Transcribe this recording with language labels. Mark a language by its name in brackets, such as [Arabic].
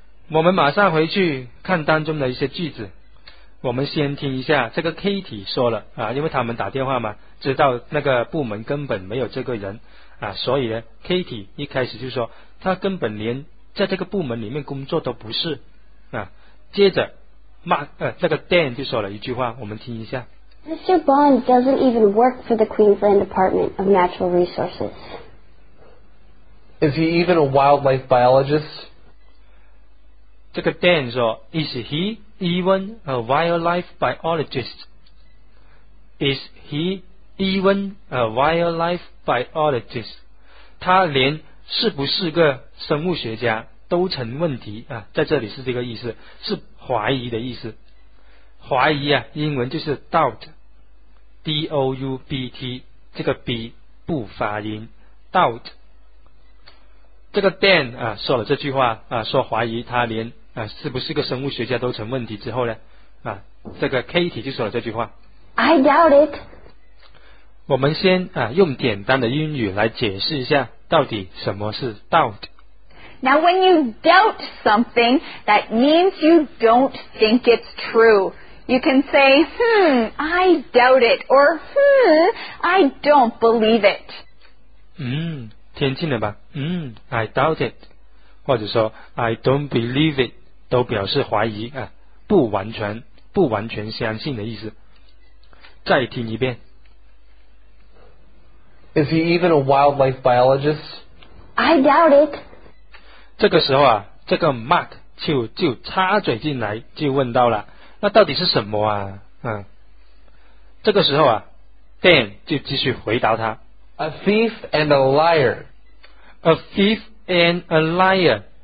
[Chinese] 我们马上回去看当中的一些句子。我们先听一下这个 Kitty 说了啊，因为他们打电话嘛，知道那个部门根本没有这个人啊，所以呢 Kitty 一开始就说他根本连在这个部门里面工作都不是啊。接着那个 Dan 就说了一句话，我们听一下。 [English] Mr. Bond doesn't even work for the Queensland Department of Natural Resources. Is he even a wildlife biologist? [Chinese] 这个 Dan 说 [English] Is he even a wildlife biologist? Is he even a wildlife biologist? [Chinese] 他连是不是个生物学家都成问题啊，在这里是这个意思，是怀疑的意思。怀疑啊，英文就是 doubt。 D-O-U-B-T 这个 B 不发音 Doubt。这个 Dan 啊说了这句话啊，说怀疑他连啊是不是个生物学家都成问题之后呢啊，这个 Kitty 就说了这句话 [English] I doubt it。 [Chinese] 我们先啊用简单的英语来解释一下到底什么是 Doubt。 [English] Now when you doubt something that means you don't think it's trueYou can say, I doubt it, or I don't believe it. [Chinese] 听清了吧？ [English] I doubt it. [Chinese] 或者说 [English] I don't believe it, [Chinese] 都表示怀疑啊，不完全相信的意思。再听一遍。 [English] Is he even a wildlife biologist? I doubt it. [Chinese] 这个时候啊，这个 Mark 就插嘴进来，就问到了。那到底是什么啊？这个时候啊 ，Dan 就继续回答他 [English] ：“A thief and a liar. A thief and a liar.